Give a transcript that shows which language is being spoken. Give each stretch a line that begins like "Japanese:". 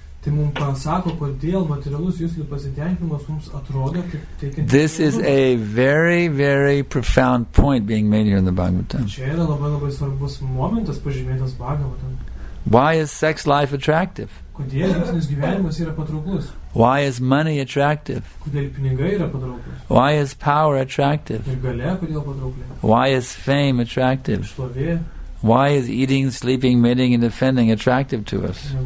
Lithuanian: Tai mums pasako, kodėl materialus jūsų pasitenkinimas mums atrodo kaip teikiant.
English: This is a very, very profound point being made here in the Bhagavatam.
Lithuanian: Čia yra labai, labai svarbus momentas pažymėtas Bhagavatam.
English: Why is sex life attractive?
Lithuanian: Kodėl lytinis gyvenimas yra patrauklus?
English: Why is money attractive?
Lithuanian: Kodėl pinigai yra patrauklus?
English: Why is power attractive?
Lithuanian: Ir galia kodėl patraukli?
English: Why is fame attractive?
Lithuanian: Šlovė.
English: Why is eating, sleeping, mating, and defending attractive to us?